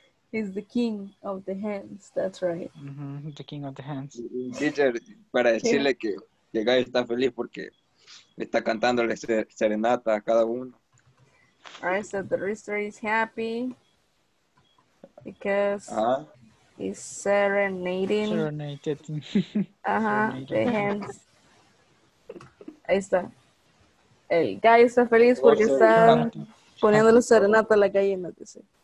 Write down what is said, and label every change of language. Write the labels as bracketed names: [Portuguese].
[English] He's the king of the hens, that's right. Uh-huh. The king of the hens. [Spanish] Teacher, para decirle que el gallo está feliz porque está cantando la serenata a cada uno. [English] All right, so the rooster is happy because he's serenading. Serenated. Uh-huh, the hens. [Spanish] Ahí está. El gallo está feliz porque está poniendo la serenata a la gallina, dice.